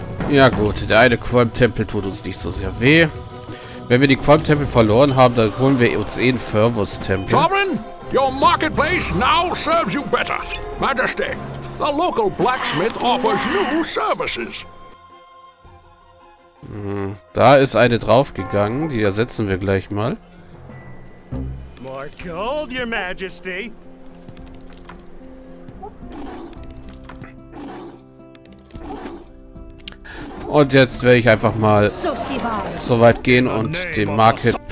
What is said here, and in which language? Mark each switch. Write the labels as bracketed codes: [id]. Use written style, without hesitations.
[de] Ja gut, der eine Qualm-Tempel tut uns nicht so sehr weh. Wenn wir die Qualm-Tempel verloren haben, dann holen wir uns eh einen Fervus-Tempel. [en] Your marketplace now serves you better. Majesty, the local blacksmith offers new services. [de] Da ist eine draufgegangen, die ersetzen wir gleich mal. [en] More gold, Your Majesty. [de] Und jetzt werde ich einfach mal so weit gehen und den Marketplace